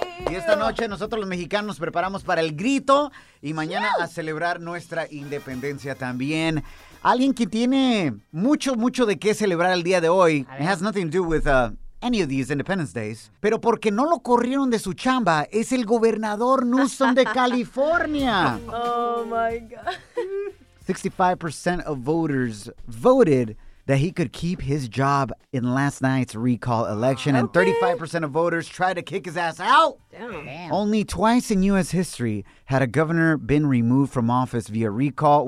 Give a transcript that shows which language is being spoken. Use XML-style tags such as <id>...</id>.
<es>Y esta noche nosotros los mexicanos nos preparamos para el grito y mañana a celebrar nuestra independencia también. Alguien que tiene mucho, mucho de qué celebrar el día de hoy.</es> <en>It has nothing to do with any of these Independence Days.</en> <es>Pero porque no lo corrieron de su chamba, es el gobernador Newsom de California.</es> <en>Oh, my God. 65% of voters voted that he could keep his job in last night's recall election. Okay. And 35% of voters tried to kick his ass out. Damn. Only twice in U.S. history had a governor been removed from office via recall.</en>